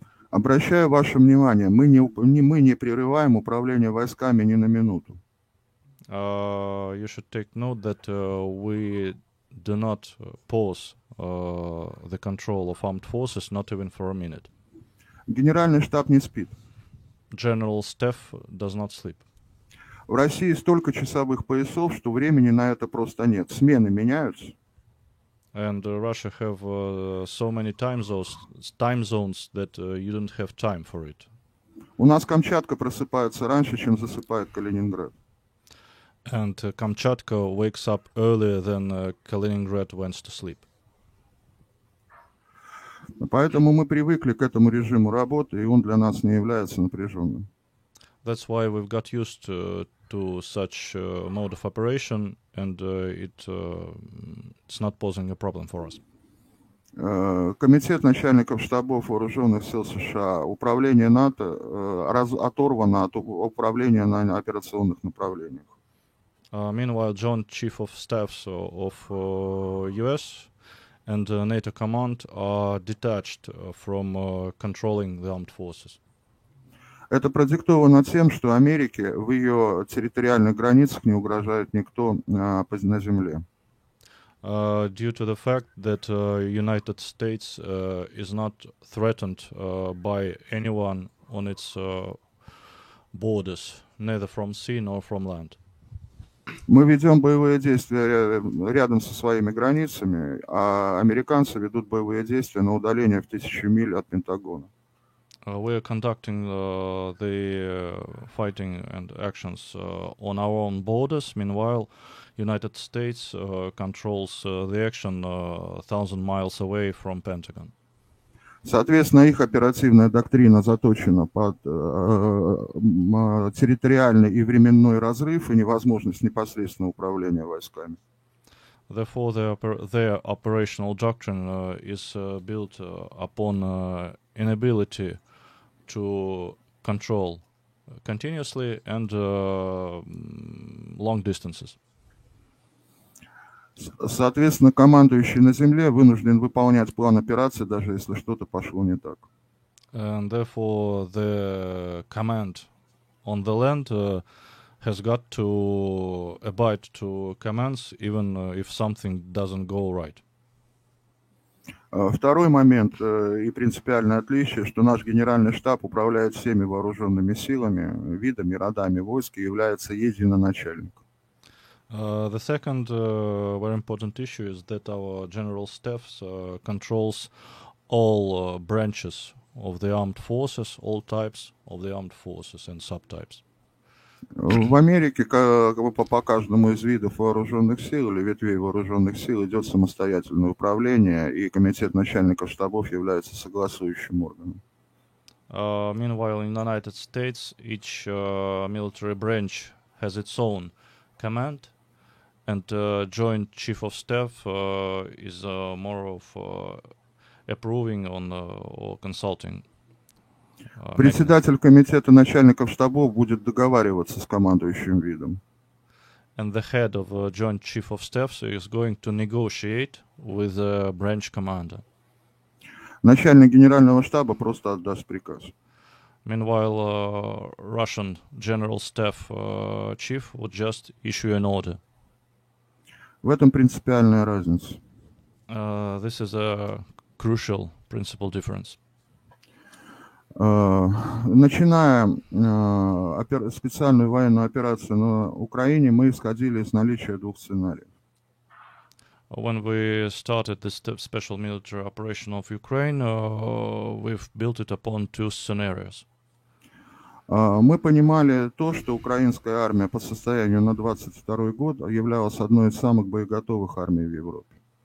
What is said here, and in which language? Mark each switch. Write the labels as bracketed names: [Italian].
[Russian] Обращаю ваше внимание, мы не прерываем управление войсками ни на минуту. [English] You should take note that we do not pause the control of armed forces, not even for a minute. [Russian] Генеральный штаб не спит. [English] General Staff does not sleep. [Russian] В России столько часовых поясов, что времени на это просто нет. Смены меняются. [English] And Russia have so many time zones that you don't have time for it. [Russian] У нас Камчатка просыпается раньше, чем засыпает Калининград. [English] And Kamchatka wakes up earlier than Kaliningrad went to sleep. [Russian] Поэтому мы привыкли к этому режиму работы, и он для нас не является напряженным. [English] That's why we've got used to such mode of operation, and it's not posing a problem for us. [Russian] Комитет начальников штабов вооруженных сил США, управление НАТО оторвано от управления на операционных направлениях. [English] Meanwhile, Joint Chief of Staff of U.S. and NATO Command are detached from controlling the armed forces. [Russian] Это продиктовано тем, что Америке в ее территориальных границах не угрожает никто на земле. [English] Due to the fact that United States is not threatened by anyone on its borders, neither from sea nor from land. [Russian] Мы ведем боевые действия рядом со своими границами, а американцы ведут боевые действия на удаление в 1000 миль от Пентагона. [English] We are conducting the fighting and actions on our own borders. Meanwhile, United States controls the action 1000 miles away from Pentagon. [Russian] Соответственно, их оперативная доктрина заточена под территориальный и временной разрыв и невозможность непосредственного управления войсками. [English] Therefore, their operational doctrine is built upon inability to control continuously and long distances. [Russian] Соответственно, командующий на земле вынужден выполнять план операции, даже если что-то пошло не так. [English] And therefore, the command on the land has got to abide to commands, even if something doesn't go right. [Russian] Второй момент и принципиальное отличие, что наш генеральный штаб управляет всеми вооруженными силами, видами, родами войск и является единоначальником. [English] The second very important issue is that our general staff controls all branches of the armed forces, all types of the armed forces and subtypes. [Russian] В Америке по каждому из видов вооруженных сил или ветвей вооруженных сил идет самостоятельное управление, и комитет начальников штабов является согласующим органом. [English] Meanwhile, in the United States, each military branch has its own command, and joint chief of staff is more of approving on or consulting. [Russian] Председатель комитета начальников штабов будет договариваться с командующим видом. [English] And the head of joint chief of staff is going to negotiate with the branch commander. [Russian] Начальник генерального штаба просто отдаст приказ. [English] Meanwhile, Russian general staff chief would just issue an order. [Russian] В этом принципиальная разница. [English] This is a crucial principal difference. [Russian] Начиная специальную военную операцию на Украине, мы исходили из наличия двух сценариев. [English] When we started this special military operation of Ukraine, we've built it upon two scenarios. [Russian] Мы понимали то, что украинская армия по состоянию на 22 год являлась одной из самых боеготовых армий в Европе.